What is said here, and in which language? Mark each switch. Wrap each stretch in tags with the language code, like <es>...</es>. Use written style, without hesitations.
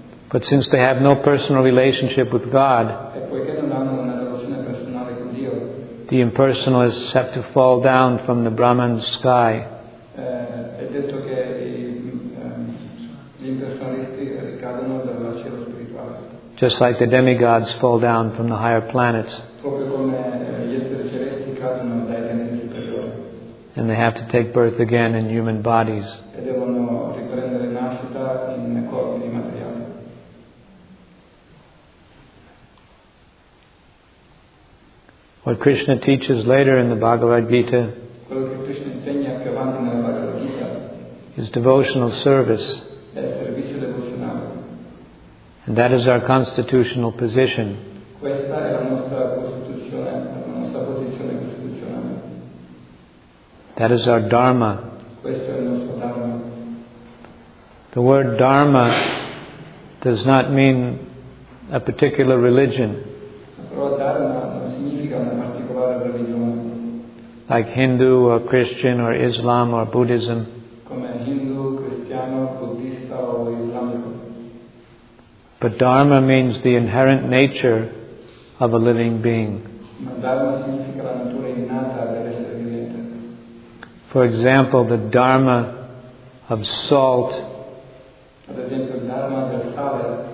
<en>But since they have no personal relationship with God,</en> <it>e poiché non hanno una relazione personale con Dio,</it> <en>the impersonalists have to fall down from the Brahman sky.</en> <it>È detto che gli impersonalisti ricadono dal cielo spirituale.</it> <en>Just like the demigods fall down from the higher planets.</en> <it>Proprio come gli esseri celesti cadono dai pianeti superiori.</it> <en>And they have to take birth again in human bodies.</en> <it>E devono riprendere nascita in corpi di materiale.</it> <en>What Krishna teaches later in the Bhagavad Gita,</en> <it>quello che Krishna insegna più avanti nella Bhagavad Gita,</it> <en>is devotional service.</en> <it>È servizio devozionale.</it> <en>And that is our constitutional position.</en> <it>Questa è la nostra posizione costituzionale.</it> <en>That is our dharma.</en> <it>Questo è il nostro dharma.</it> <en>The word dharma does not mean a particular religion.</en> <it>Però dharma non significa una particolare religione.</it> <en>Like Hindu or Christian or Islam or Buddhism.</en> <it>Come Hindu, cristiano, buddista o islamico.</it> <en>But dharma means the inherent nature of a living being.</en> <it>Ma dharma significa la natura innata dell'essere vivente.</it> <en>For example, the dharma of salt.</en> <it>Ad esempio, il dharma del sale.</it>